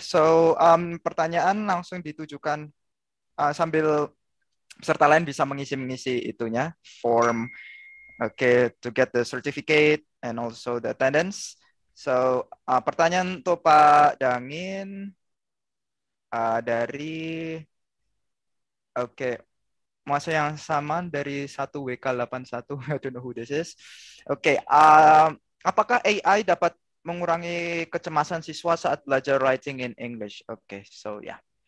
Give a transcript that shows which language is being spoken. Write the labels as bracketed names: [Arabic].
[Indonesian] So pertanyaan langsung ditujukan sambil peserta lain bisa mengisi itunya form. [English] Okay, to get the certificate and also the attendance. [Indonesian] So pertanyaan untuk Pak Dangin dari okay. Masa yang sama dari 1WK81, [English] I don't know who this is. [Indonesian] Okay, apakah AI dapat mengurangi kecemasan siswa saat belajar [English] writing in English? [Indonesian] Okay, so yeah.